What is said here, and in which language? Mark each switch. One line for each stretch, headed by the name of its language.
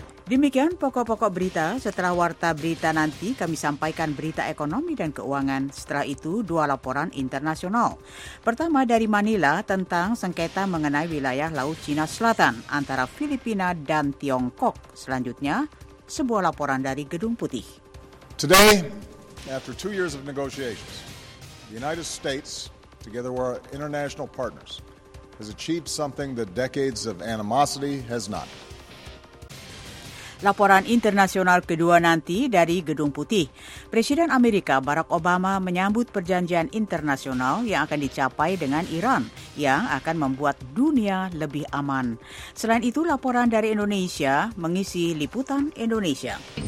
Indonesian: Demikian pokok-pokok berita. Setelah warta berita nanti kami sampaikan berita ekonomi dan keuangan. Setelah itu dua laporan internasional. Pertama dari Manila tentang sengketa mengenai wilayah Laut Cina Selatan antara Filipina dan Tiongkok. Selanjutnya sebuah laporan dari Gedung Putih.
English: Today, after 2 years of negotiations, the United States, together with our international partners, has achieved something that decades of animosity has not.
Indonesian: Laporan internasional kedua nanti dari Gedung Putih. Presiden Amerika Barack Obama menyambut perjanjian internasional yang akan dicapai dengan Iran yang akan membuat dunia lebih aman. Selain itu, laporan dari Indonesia mengisi liputan Indonesia.